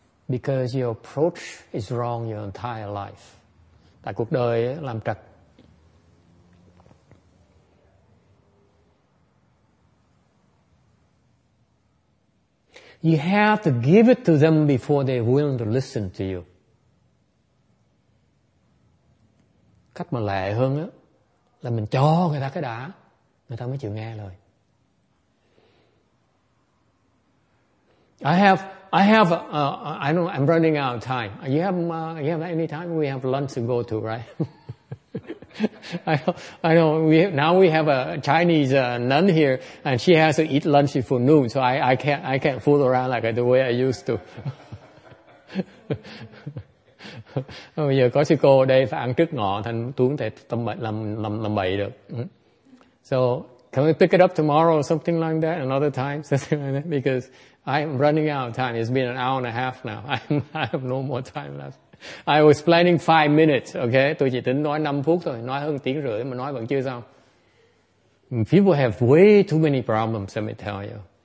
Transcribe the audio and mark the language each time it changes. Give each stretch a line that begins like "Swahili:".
English: Because your approach is wrong your entire life.
Vietnamese: Tại cuộc đời ấy, làm trật.
English: You have to give it to them before they're willing to listen to you.
Vietnamese: Cách mà lệ hơn đó, là mình cho người ta cái đã, người ta mới chịu nghe lời.
English: I'm running out of time. You have any time? We have lunch to go to, right? I know. Now we have a Chinese nun here, and she has to eat lunch before noon. So I can't fool around like the way I used to.
Vietnamese: Bây giờ có sư cô ở đây phải ăn trước ngọ, thành tôi không thể tâm bậy làm bậy được.
English: So can we pick it up tomorrow or something like that? Another time, something like that, because I'm running out of time. It's been an hour and a half now. I have no more time left. I was planning 5 minutes, okay?
Vietnamese: Tôi chỉ tính nói 5 phút thôi. Nói hơn tiếng rưỡi mà nói vẫn chưa xong.
English: People have way too many problems, let me tell you.